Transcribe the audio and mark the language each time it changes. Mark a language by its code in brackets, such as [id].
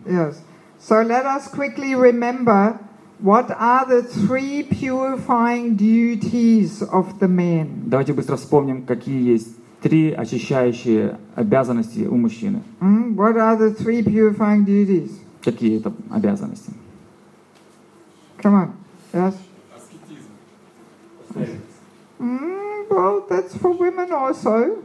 [en] Yes. So let us quickly remember what are the three purifying duties of the man. [ru] Давайте быстро вспомним, какие есть три очищающие обязанности у мужчины. [en] What are the three purifying duties? [ru] Какие это обязанности? [en] Come on. Yes. [ru] Аскетизм. [en] Well, that's for women also.